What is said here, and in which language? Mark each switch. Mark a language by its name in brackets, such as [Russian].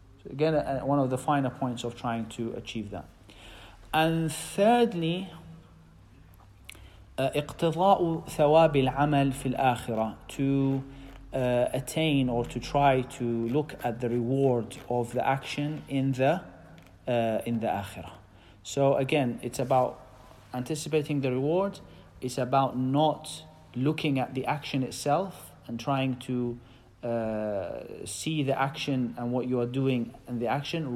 [English] Again, one of the finer points of trying to achieve that. And thirdly, [Arabic] اقتضاء ثواب العمل في الآخرة. [English] To attain or to try to look at the reward of the action in the آخرة. So again, it's about anticipating the reward. It's about not looking at the action itself and trying to see the action and what you are doing and the action.